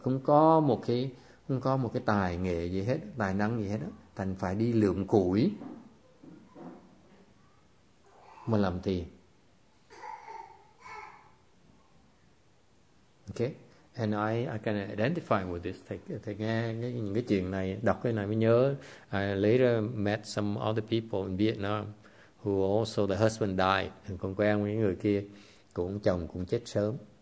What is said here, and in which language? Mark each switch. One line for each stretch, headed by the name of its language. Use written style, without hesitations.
Vietnamese: Không có một cái tài nghệ gì hết, tài năng gì hết đó. Thành phải đi lượm củi mà làm tiền.
English: Okay? And I can identify with this.
Vietnamese: Thầy nghe những cái chuyện này, đọc cái này mới nhớ.
English: I later met some other people in Vietnam who also the husband died.
Vietnamese: And con quen với người kia, cũng chồng cũng chết sớm.